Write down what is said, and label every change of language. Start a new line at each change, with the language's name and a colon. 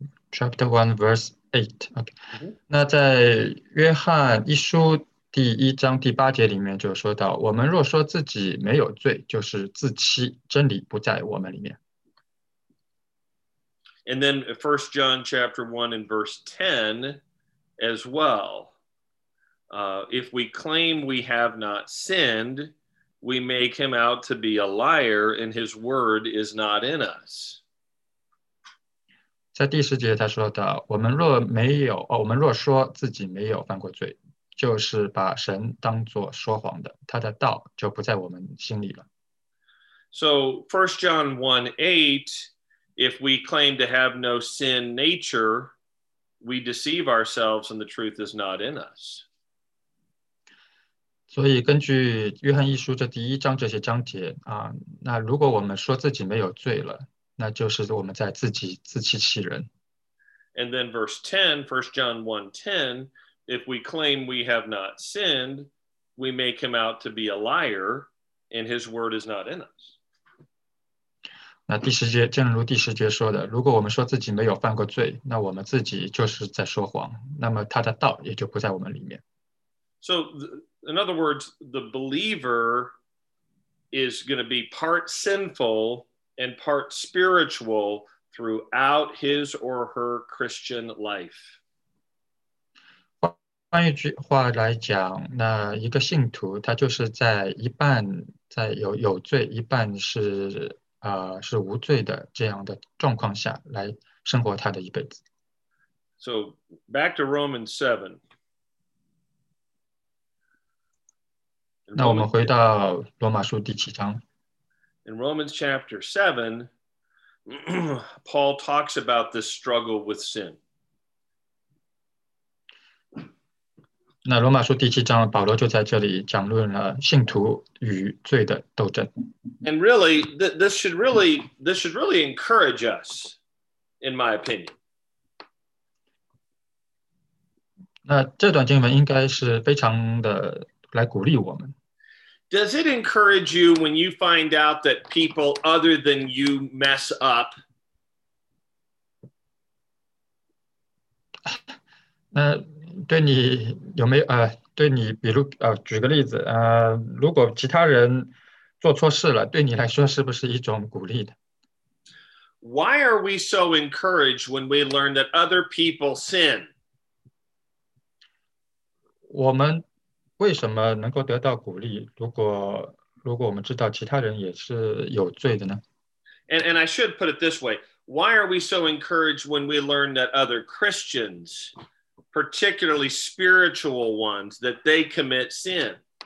English: Chapter 1, verse 8. Okay. Mm-hmm.
Chinese: 那在约翰一书第一章第八节里面就说到，我们若说自己没有罪，就是自欺，真理不在我们里面。
English: And then 1 John chapter 1 and verse 10 as well. If we claim we have not sinned, we make him out to be a liar and his word is not in us.
Chinese: 在第十节他说的，我们若说自己没有犯过罪，就是把神当作说谎的，他的道就不在我们心里了。
English: So 1 John 1:8, if we claim to have no sin nature, we deceive ourselves and the truth is not in us.
Chinese: 所以根据约翰一书这第一章这些章节啊，那如果我们说自己没有罪了，那就是我们在自己自欺欺人。
English: And then verse 10, 1 John 1:10, if we claim we have not sinned, we make him out to be a liar, and his word is not in us.
Chinese: 那第十节，正如第十节说的，如果我们说自己没有犯过罪，那我们自己就是在说谎，那么他的道也就不在我们里面。
English: So, in other words, the believer is going to be part sinful,and part spiritual throughout his or her Christian life.
Chinese: 换一句话来讲，那一个信徒他就是在一半在 有罪，一半 是无罪的这样的状况下来生活他的一辈子。
English: So back to Romans 7.
Chinese: 那我们回到罗马书第七章。
English: In Romans chapter 7, Paul talks about this struggle with sin.
Chinese: 那罗马书第七章，保罗就在这里讲论了信徒与罪的斗争。
English: And really, this should really encourage us, in my opinion.
Chinese: 那这段经文应该是非常的来鼓励我们。
English: Does it encourage you when you find out that people other than you mess up?
Chinese: 那对你有没有对你比如举个例子如果其他人做错事了，对你来说是不是一种鼓励的？
English: Why are we so encouraged when we learn that other people sin?
Chinese: 我们为什么能够得到鼓励？如果我们知道其他人也是有罪的呢？
English: And I should put it this way. Why are we so encouraged when we learn that other Christians, particularly spiritual ones, that they commit sin?